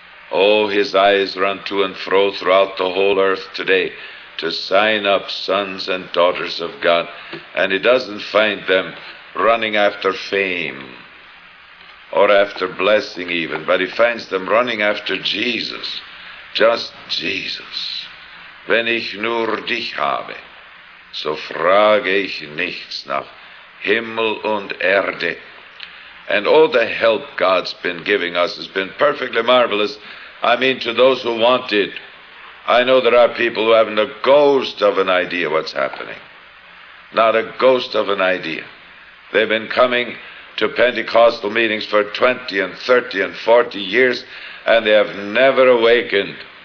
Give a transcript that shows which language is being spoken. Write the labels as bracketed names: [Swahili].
[English] Oh, his eyes run to and fro throughout the whole earth today to sign up sons and daughters of God. And he doesn't find them running after fame or after blessing even, but he finds them running after Jesus, just Jesus. [German] Wenn ich nur dich habe, so frage ich nichts nach Himmel und Erde. [English] And all the help God's been giving us has been perfectly marvelous. I mean, to those who want it, I know there are people who haven't a ghost of an idea what's happening. Not a ghost of an idea. They've been coming to Pentecostal meetings for 20 and 30 and 40 years, and they have never awakened.